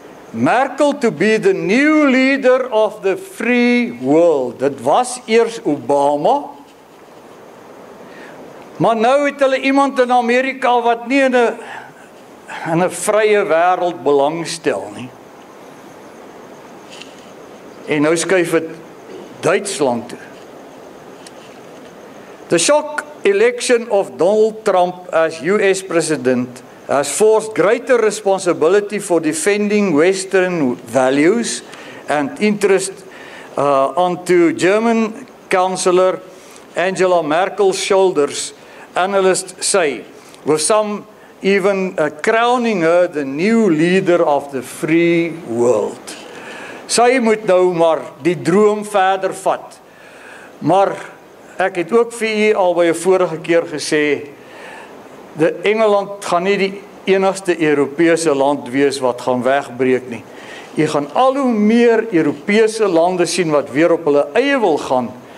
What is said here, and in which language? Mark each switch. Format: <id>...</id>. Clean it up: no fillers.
<en>Merkel to be the new leader of the free world.</en> <af>Dit was eers Obama. Maar nou het hulle iemand in Amerika wat nie in 'n vrye wêreld belangstel nie. En nou skuif dit Duitsland toe.</af> <en>The shock election of Donald Trump as US president has forced greater responsibility for defending Western values and interest onto German Chancellor Angela Merkel's shoulders. Analysts say, with some even crowning her the new leader of the free world.</en> <af>Sy moet nou maar die droom verder vat. Maar ek het ook vir u al by 'n vorige keer gesê, dat Engeland gaan nie die enigste Europese land wees wat gaan wegbreek nie. U gaan al hoe meer Europese lande sien wat weer op hulle eie wil gaan.</af>